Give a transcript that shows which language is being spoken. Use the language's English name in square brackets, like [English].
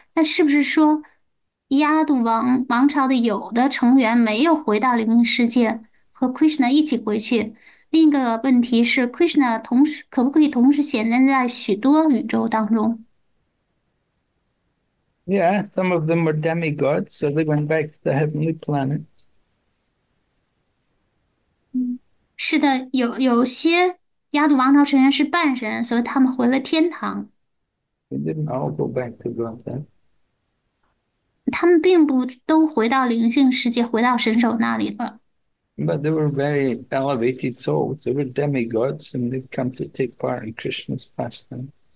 [Chinese] 那是不是说亚度王朝的有的成员没有回到灵异世界，和 Krishna 一起回去？另一个问题是，Krishna 同时可不可以同时显现在许多宇宙当中？ [English] Yeah, some of them were demigods, so they went back to the heavenly planets. [Chinese] 是的，有些亚度王朝成员是半神，所以他们回了天堂。 [English] They didn't all go back to Godhead. [Chinese] 他们并不都回到灵性世界，回到神首那里了。 [English] But they were very elevated souls. They were demigods, and they'd come to take part in Krishna's pastime.